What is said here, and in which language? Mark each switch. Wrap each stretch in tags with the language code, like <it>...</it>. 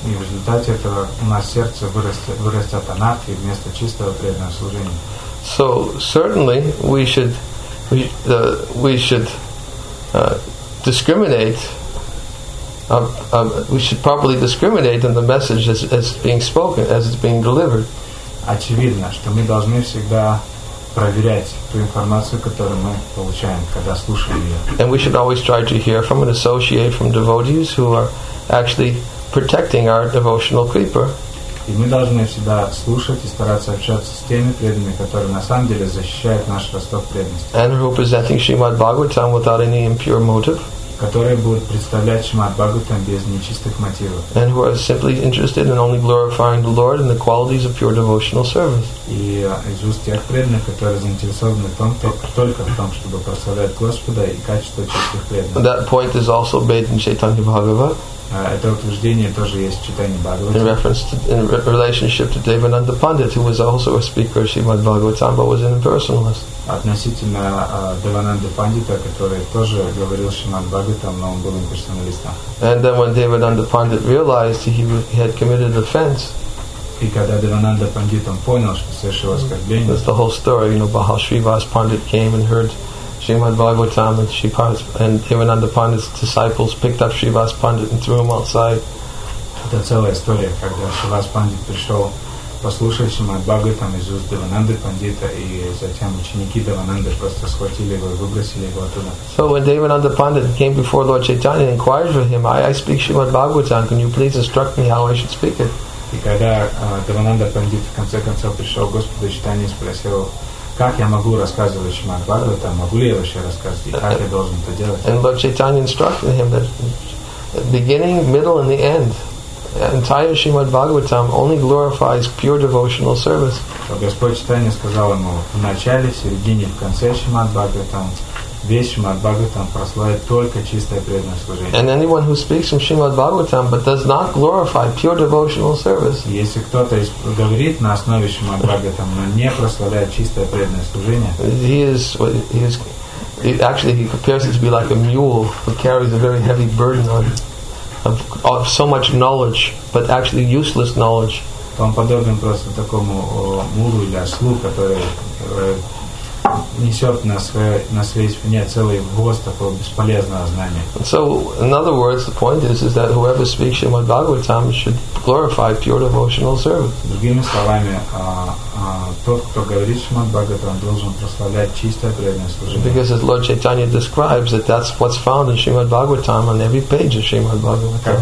<ru>И в результате этого у нас сердце вырастет анарти вместо чистого преданного служения.</ru> <en>So certainly we should properly discriminate in the message as being spoken, as it's being delivered.</en> <ru>Очевидно, что мы должны всегда проверять ту информацию, которую мы получаем, когда слушаем ее.</ru> <en>And we should always try to hear from an associate, from devotees who are actually protecting our devotional creeper.</en> <ru>И мы должны всегда слушать и стараться общаться с теми преданными, которые на самом деле защищают наш росток преданности.</ru> <en>And who are presenting Srimad Bhagavatam without any impure motive.</en> <ru>Которые будут представлять Шримад Бхагаватам без нечистых мотивов.</ru> <en>And who are simply interested in only glorifying the Lord and the qualities of pure devotional service.</en> <ru>И из уст тех преданных, которые заинтересованы в том, только в том, чтобы прославлять Господа и качество чистых преданных.</ru> <en>That point is also made in Chaitanya Bhagavat.</en> <ru>Это утверждение тоже есть в Чайтанье Бхагаватам.</ru> <en>In relationship to Devananda Pandit, who was also a speaker of Srimad Bhagavatam, but was an impersonalist.</en> <ru>Относительно Девананды Пандита, который тоже говорил Шримад Бхагаватам, но он был имперсоналистом.</ru> <en>And then when Devananda Pandit realized he had committed offense.</en> <ru>И когда Девананда Пандит понял, что совершил оскорбление.</ru> <en>That's the whole story, you know, about how Srivas Pandit came and heard Srimad Bhagavatam and Devananda Pandit's disciples picked up Srivas Pandit and threw him outside.</en> <ru>Это целая история, когда Шривас Пандит пришел послушать Шримад Бхагаватам из уст Девананды Пандита, и затем ученики Девананды просто схватили его и выбросили его оттуда.</ru> <en>So when Devananda Pandit came before Lord Chaitanya and inquired for him, I speak Shrimad Bhagavatam, can you please instruct me how I should speak it?</en> <ru>И когда Девананда Пандит в конце концов пришел к Господу Чайтанье и спросил, как я могу рассказывать Шримад Бхагаватам, могу ли я вообще рассказывать, и как я должен это делать?</ru> <en>And Lord Chaitanya instructed him that beginning, middle and the end, entire Srimad Bhagavatam only glorifies pure devotional service.</en> <ru>Господь Чайтанья сказал ему, в начале, в середине, в конце Шримад Бхагаватам, весь Шримад Бхагаватам прославляет только чистое преданное служение.</ru> <en>And anyone who speaks from Srimad Bhagavatam but does not glorify pure devotional service.</en> <ru>Если кто-то говорит на основе Шримад Бхагаватам, но не прославляет чистое преданное служение.</ru> <en>He compares it to be like a mule who carries a very heavy burden on him. Of so much knowledge, but actually useless knowledge.</en> <ru>Он подобен просто такому мулу или ослу, который несет на своей спине целый воз такого бесполезного знания.</ru> <en>So, in other words, the point is that whoever speaks Srimad Bhagavatam should glorify pure devotional service.</en> <ru>Другими словами, тот, кто говорит Шримад Бхагаватам, должен прославлять чистое преданное служение.</ru> <en>Because as Lord Chaitanya describes, that's what's found in Shrimad Bhagavatam on every page of Shrimad Bhagavatam.</en>